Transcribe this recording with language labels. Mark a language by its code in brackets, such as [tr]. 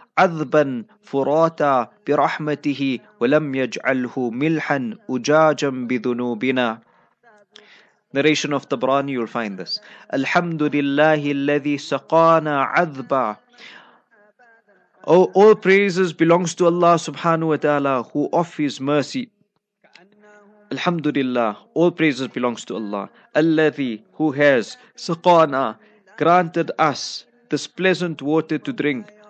[ar] عذباً فراتاً برحمته ولم يجعله ملحاً أجاجاً بذنوبنا. [en] Narration of Tabrani, you'll find this. [ar] الحمد لله الذي سقانا عذباً. [en] Oh, all praises belongs to Allah subhanahu wa ta'ala who of His mercy. [ar] الحمد لله, [en] all praises belongs to Allah. الذي, who has سقانا, granted us this pleasant water to drink.